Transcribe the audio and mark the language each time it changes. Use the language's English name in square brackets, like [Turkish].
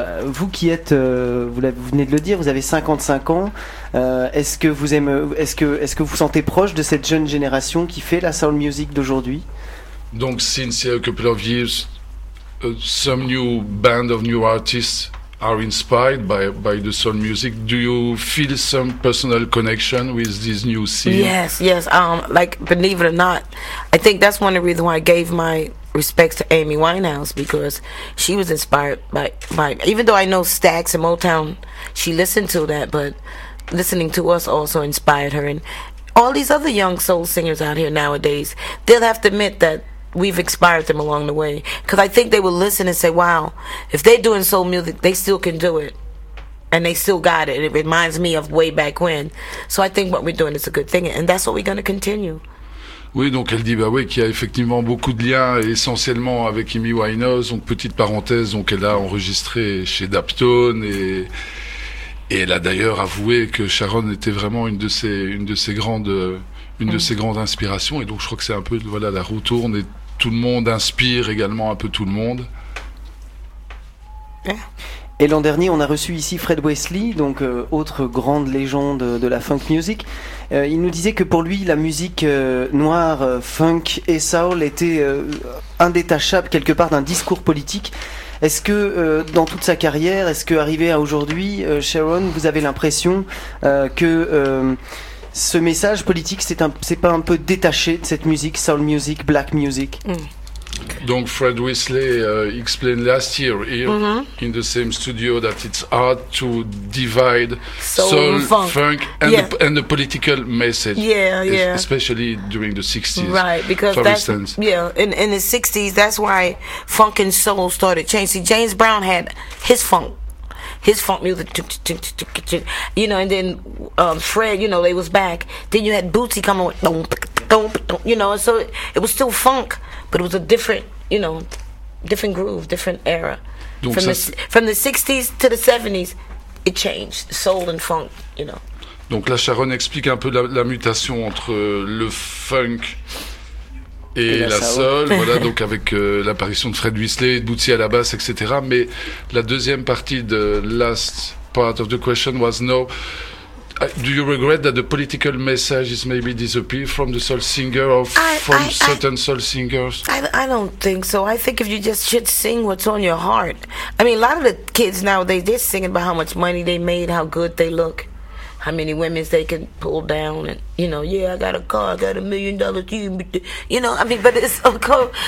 [French] Vous qui êtes, vous venez de le dire, vous avez 55 ans. Est-ce que vous sentez proche de cette jeune génération qui fait la soul music d'aujourd'hui? Donc, [English] since a couple of years, some new band of new artists are inspired by the soul music. Do you feel some personal connection with this new scene? Yes, yes. Like, believe it or not, I think that's one of the reasons why I gave my respects to Amy Winehouse, because she was inspired by even though I know Stax and Motown, she listened to that, but listening to us also inspired her. And all these other young soul singers out here nowadays, they'll have to admit that we've inspired them along the way, because I think they will listen and say, wow, if they're doing soul music, they still can do it, and they still got it, and it reminds me of way back when. So I think what we're doing is a good thing, and that's what we're going to continue. [French] Oui, donc elle dit bah oui, qu'il y a effectivement beaucoup de liens, essentiellement avec Amy Winehouse. Donc petite parenthèse, donc elle a enregistré chez Dapton, et elle a d'ailleurs avoué que Charon était vraiment une de ses grandes inspirations. Et donc je crois que c'est un peu, voilà, la roue tourne et tout le monde inspire également un peu tout le monde. Et l'an dernier, on a reçu ici Fred Wesley, donc autre grande légende de la funk music. Il nous disait que pour lui, la musique noire, funk et soul était indétachable quelque part d'un discours politique. Est-ce que dans toute sa carrière, est-ce que arrivé à aujourd'hui, Sharon, vous avez l'impression que ce message politique, c'est pas un peu détaché de cette musique, soul music, black music? Donc [English] Fred Wesley explained last year here in the same studio that it's hard to divide soul, funk and the political message, especially during the 60s, right? Because for instance, in the 60s, that's why funk and soul started changing. See, James Brown had his funk. His funk music, you know, and then Fred, you know, they was back. Then you had Bootsy coming with, you know, so it was still funk, but it was a different, you know, different groove, different era. From the 60s to the 70s, it changed, soul and funk, you know. [French] Donc là, Sharon explique un peu la mutation entre le funk et la soul, voilà, donc avec l'apparition de Fred Wesley, de Bootsy à la basse, etc. Mais la deuxième partie de [English] last part of the question was, no, do you regret that the political message is maybe disappeared from the soul singer or from certain soul singers? I don't think so. I think if you just should sing what's on your heart. I mean, a lot of the kids nowadays, they're singing about how much money they made, how good they look, how many women they can pull down, and, you know, yeah, I got a car, I got $1 million, you know, I mean, but it's okay.